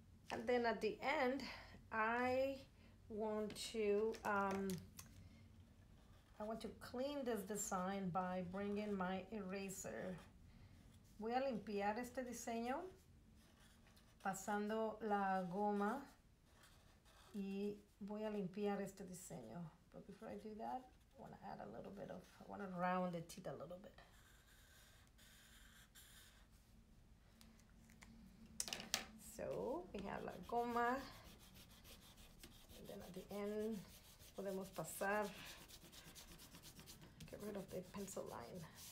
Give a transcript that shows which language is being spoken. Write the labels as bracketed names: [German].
[English] And then at the end, I want to clean this design by bringing my eraser. [Spanish] Voy a limpiar este diseño pasando la goma y voy a limpiar este diseño. [English] But before I do that, I want to add a little bit of, I want to round the teeth a little bit. So we have la goma. And then at the end, [Spanish] podemos pasar, [English] get rid of the pencil line.